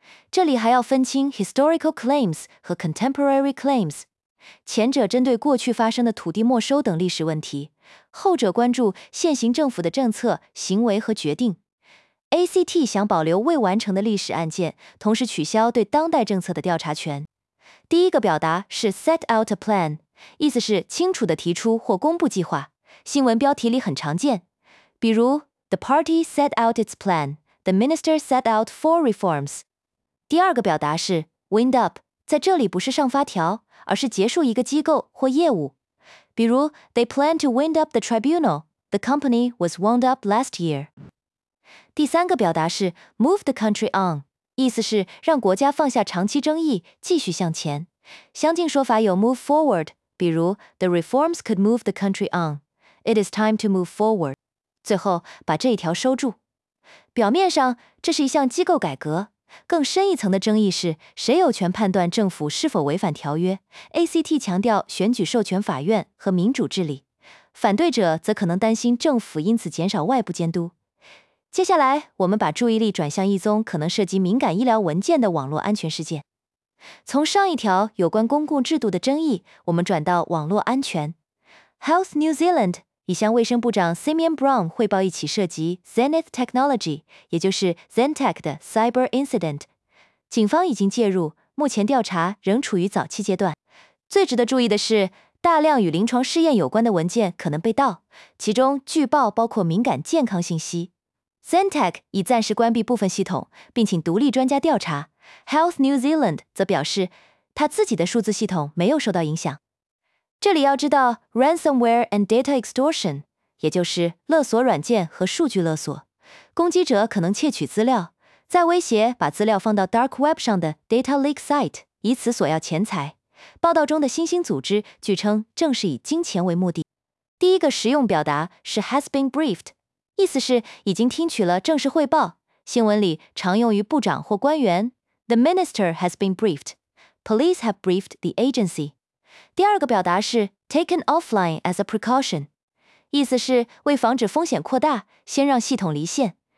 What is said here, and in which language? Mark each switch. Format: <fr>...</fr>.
<zh>这里还要分清 historical claims 和 contemporary claims， 前者针对过去发生的土地没收等历史问题，后者关注现行政府的政策、行为和决定。 ACT 想保留未完成的历史案件，同时取消对当代政策的调查权。第一个表达是 set out a plan， 意思是清楚地提出或公布计划，新闻标题里很常见，比如</zh> <en>The party set out its plan， The minister set out 4 reforms。</en> <zh>第二个表达是 wind up， 在这里不是上发条，而是结束一个机构或业务。</zh> <en>比如 ,they plan to wind up the tribunal, the company was wound up last year。</en> <zh>第三个表达是 move the country on， 意思是让国家放下长期争议，继续向前。相近说法有</zh> <en>move forward， 比如 the reforms could move the country on， it is time to move forward。</en> <zh>最后把这一条收住。表面上这是一项机构改革。更深一层的争议是，谁有权判断政府是否违反条约？ ACT 强调选举授权法院和民主治理，反对者则可能担心政府因此减少外部监督。接下来，我们把注意力转向一宗可能涉及敏感医疗文件的网络安全事件。从上一条有关公共制度的争议，我们转到网络安全。 Health New Zealand已向卫生部长 Simeon Brown 汇报一起涉及 Zenith Technology， 也就是 Zentech 的 Cyber Incident。警方已经介入，目前调查仍处于早期阶段。最值得注意的是，大量与临床试验有关的文件可能被盗，其中据报包括敏感健康信息。 Zentech 已暂时关闭部分系统，并请独立专家调查。 Health New Zealand 则表示他自己的数字系统没有受到影响。这里要知道 ransomware and data extortion， 也就是勒索软件和数据勒索。攻击者可能窃取资料，再威胁把资料放到 dark web 上的 data leak site， 以此索要钱财。报道中的新兴组织据称正是以金钱为目的。第一个实用表达是 has been briefed， 意思是已经听取了正式汇报。新闻里常用于部长或官员，</zh> <en>the minister has been briefed， police have briefed the agency。</en> <zh>第二个表达是 taken offline as a precaution， 意思是为防止风险扩大，先让系统离线。</zh>